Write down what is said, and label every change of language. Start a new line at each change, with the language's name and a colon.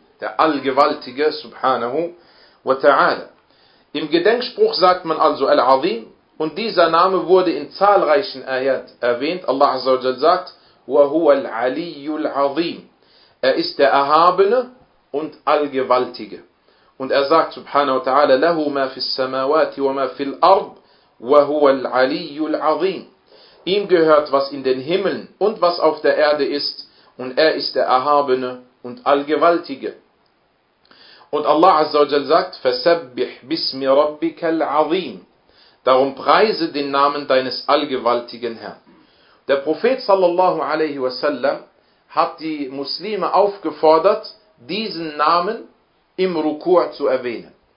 German: Der Allgewaltige, subhanahu wa ta'ala. Im Gedenkspruch sagt man also Al-Azim. Und dieser Name wurde in zahlreichen Ayat erwähnt. Allah Azza wa Jalla sagt,
Arabic: وَهُوَ الْعَلِيُّ الْعَظِيمُ.
German: Er ist der Erhabene und Allgewaltige. Und er sagt,
Arabic: subhanahu wa ta'ala, لَهُ مَا فِي السَّمَاوَاتِ وَمَا فِي الْأَرْضِ وَهُوَ الْعَلِيُّ الْعَظِيمُ.
German: Ihm gehört, was in den Himmeln und was auf der Erde ist. Und er ist der Erhabene und Allgewaltige. Und Allah Azza wa Jalla sagt,
Arabic: فَسَبِّحْ بِسْمِ رَبِّكَ الْعَظِيمُ.
German: Darum preise den Namen deines allgewaltigen Herrn. Der Prophet sallallahu alaihi wasallam hat die Muslime aufgefordert, diesen Namen im Ruku' zu erwähnen.